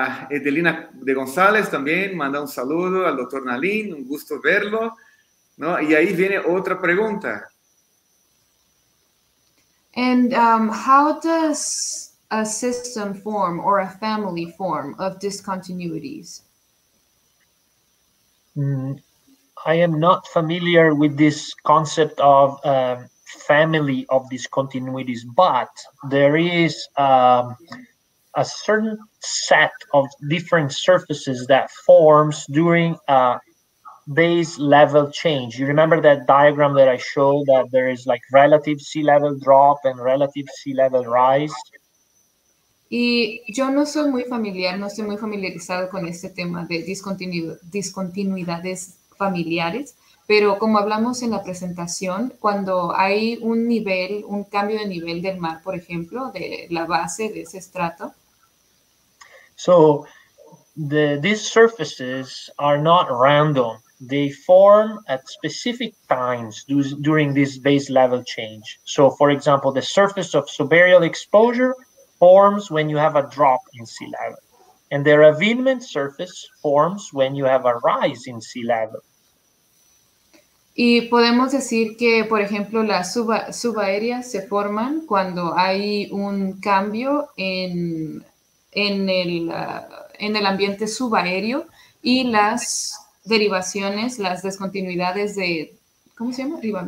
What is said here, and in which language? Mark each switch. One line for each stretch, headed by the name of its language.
Spanish: Edelina de González también manda un saludo al doctor Nalín, un gusto verlo, ¿no? Y ahí viene otra pregunta.
English: And how does a system form or a family form of discontinuities? I am not familiar with this concept of family of discontinuities, but there is a certain set of different surfaces that forms during a base level change. You remember that diagram that I showed, that there is like relative sea level drop and relative sea level rise?
Spanish: Y yo no soy muy familiar, no estoy muy familiarizado con este tema de discontinuidades familiares, pero como hablamos en la presentación, cuando hay un nivel, un cambio de nivel del mar, por ejemplo, de la base de ese estrato.
English: So, these surfaces are not random. They form at specific times during this base level change. So, for example, the surface of subaerial exposure forms when you have a drop in sea level. And the ravinement surface forms when you have a rise in sea level.
Spanish: Y podemos decir que, por ejemplo, las subaéreas se forman cuando hay un cambio en el ambiente subaéreo, y las derivaciones, las discontinuidades de, ¿cómo se llama?